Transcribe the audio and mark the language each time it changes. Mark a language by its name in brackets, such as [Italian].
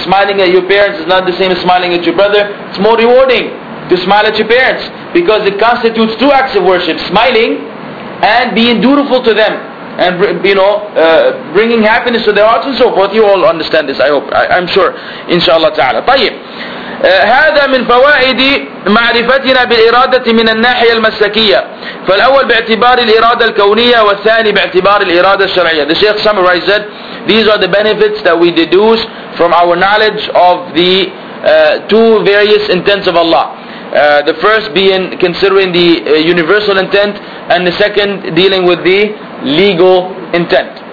[English] Smiling at your parents is not the same as smiling at your brother. It's more rewarding to smile at your parents, because it constitutes two acts of worship: smiling and being dutiful to them, and you know, bringing happiness to their hearts and so forth. You all understand this, I hope. I'm sure, inshallah ta'ala. [Arabic] هذا من فوائد معرفتنا بالإرادة من الناحية المسلكية. فالأول باعتبار الإرادة الكونية والثاني باعتبار الإرادة الشرعية. [English] The Sheikh summarized that these are the benefits that we deduce from our knowledge of the two various intents of Allah. The first being considering the universal intent, and the second dealing with the legal intent.